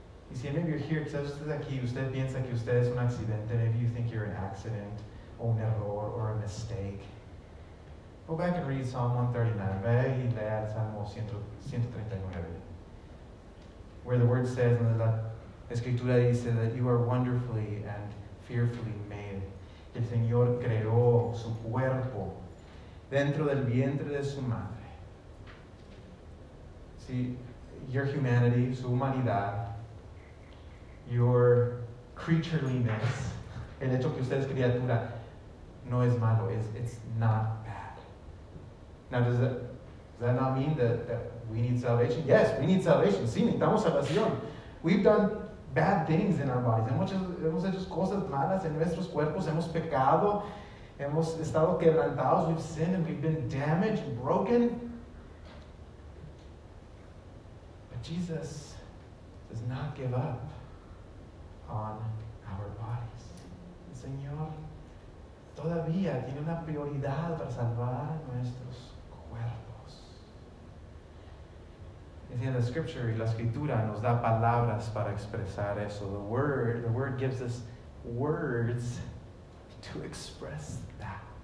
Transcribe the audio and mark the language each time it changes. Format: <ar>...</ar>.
<es>Y si</es> <en>maybe you're here,</en> <es>quizás usted aquí, usted piensa que usted es un accidente,</es> <en>maybe you think you're an accident,</en> <es>o un error,</es> <en>or a mistake. Go back and read Psalm 139,</en> <es>ve y lea el Salmo 139,</es> <en>where the word says, and</en> <es>la escritura dice,</es> <en>that you are wonderfully and fearfully made.</en> <es>El Señor creó su cuerpo dentro del vientre de su madre.</es> <en>See, your humanity,</en> <es>su humanidad,</es> <en>your creatureliness,</en> <es>el hecho que usted es criatura, no es malo,</es> <en>it's not bad. Now, does that not mean that we need salvation? Yes, we need salvation.</en> <es>Sí, necesitamos salvación.</es> <en>We've done bad things in our bodies.</en> <es>Hemos hecho cosas malas en nuestros cuerpos. Hemos pecado. Hemos estado quebrantados.</es> <en>We've sinned and we've been damaged and broken. But Jesus does not give up on our bodies.</en> <es>El Señor todavía tiene una prioridad para salvar nuestros cuerpos. Es en la Scripture, y la Escritura nos da palabras para expresar eso.</es> <en>The word gives us words to express that.</en>